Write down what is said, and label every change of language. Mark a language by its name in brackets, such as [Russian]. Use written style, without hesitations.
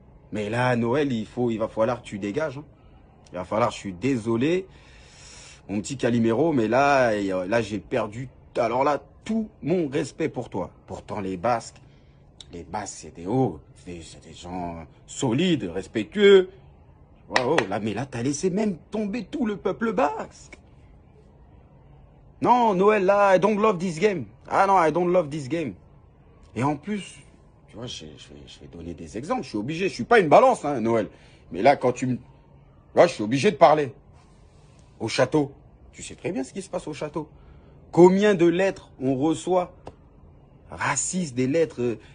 [French] Mais là, Noël, il va falloir que tu dégages. Hein. Il va falloir, je suis désolé, mon petit Calimero, mais là j'ai perdu, alors là, tout mon respect pour toi. Pourtant, les Basques, c'est des gens solides, respectueux. Wow, là, mais là, t'as laissé même tomber tout le peuple basque. Non, Noël, là, [English] I don't love this game. [French] Ah non, [English] I don't love this game. [French] Et en plus... Tu vois, je vais donner des exemples. Je suis obligé. Je suis pas une balance, hein, Noël. Mais là, quand tu me... Là, je suis obligé de parler. Au château. Tu sais très bien ce qui se passe au château. Combien de lettres on reçoit? Racistes, des lettres.